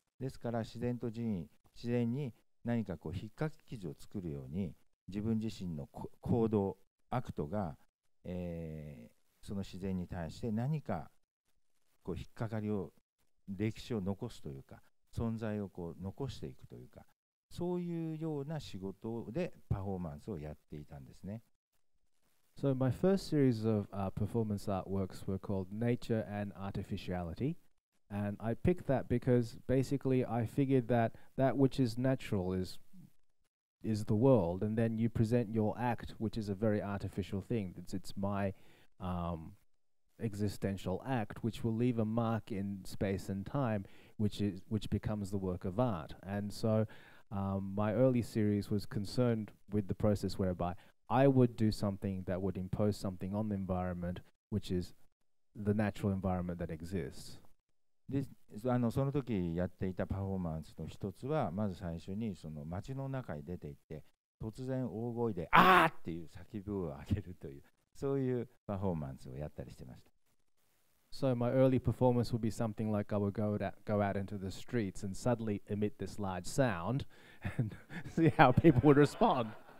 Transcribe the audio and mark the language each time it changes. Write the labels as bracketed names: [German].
[Japanese] ですから自然と人為、自然に何かこう引っかき傷を作るように自分自身の行動、アクトが、その自然に対して何かこう引っかかりを、歴史を残すというか存在をこう残していくというか、そういうような仕事でパフォーマンスをやっていたんですね。 [English] So my first series of performance artworks were called Nature and Artificiality, and I picked that because basically I figured that that which is natural is the world, and then you present your act, which is a very artificial thing. It's my existential act, which will leave a mark in space and time, which becomes the work of art. And so my early series was concerned with the process whereby I would do something that would impose something on the environment, which is the natural environment that exists. [Japanese] その時やっていたパフォーマンスの一つは、まず最初にその街の中に出て行って、突然大声で、あーっていう叫びを上げるという、そういうパフォーマンスをやったりしてました。 [English] So my early performance would be something like I would go out into the streets and suddenly emit this large sound and see how people would respond.